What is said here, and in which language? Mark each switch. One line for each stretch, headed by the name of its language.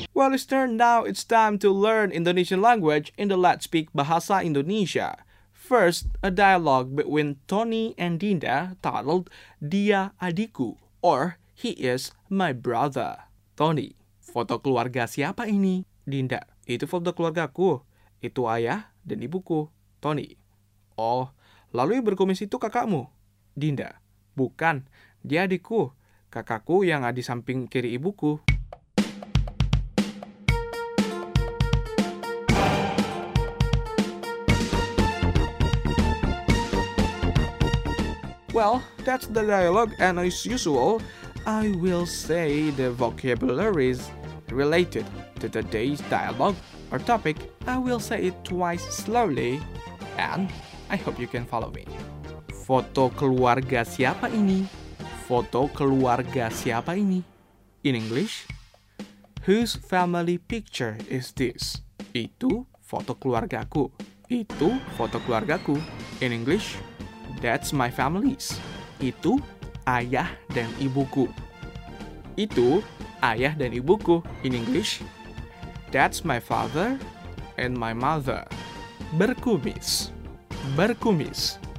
English: listener, now it's time to learn Indonesian language in the Let's Speak Bahasa Indonesia. First, a dialogue between Tony and Dinda titled Dia Adiku, or He is My Brother.
Indonesian: Tony, foto keluarga siapa ini? Dinda, itu foto keluargaku. Itu ayah dan ibuku. Tony, oh, lalu yang berkumis itu kakakmu? Dinda, bukan, dia adikku. Kakakku yang ada di samping kiri ibuku.
English: Well, that's the dialogue, and as usual, I will say the vocabularies related to today's dialogue or topic. I will say it twice slowly, and I hope you can follow me.
Indonesian: Foto keluarga siapa ini? Foto keluarga siapa ini?
English: In English, whose family picture is this?
Indonesian: Itu foto keluargaku. Itu foto keluargaku.
English: In English, that's my family's. Itu ayah dan ibuku. Itu ayah dan ibuku. In English, that's my father and my mother. Berkumis. Berkumis.